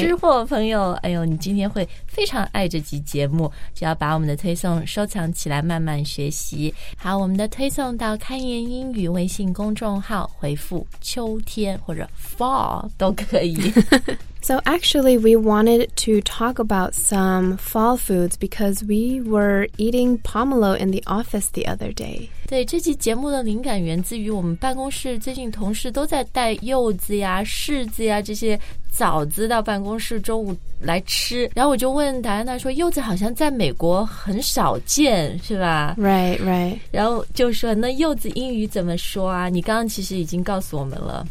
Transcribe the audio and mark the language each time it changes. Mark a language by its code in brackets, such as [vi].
[zh] 吃货朋友，哎呦，你今天会非常爱这集节目，只要把我们的推送收藏起来慢慢学习。好，我们的推送到开言英语微信公众号，回复秋天或者 fall 都可以。 [en] So actually, we wanted to talk about some fall foods because we were eating pomelo in the office the other day. [zh] 对，这期节目的灵感源自于我们办公室最近同事都在带柚子呀、柿子呀这些枣子到办公室中午来吃，然后我就问达安娜说，柚子好像在美国很少见，是吧 [en] ？Right, right. [zh] 然后就说那柚子英语怎么说啊？你刚刚其实已经告诉我们了。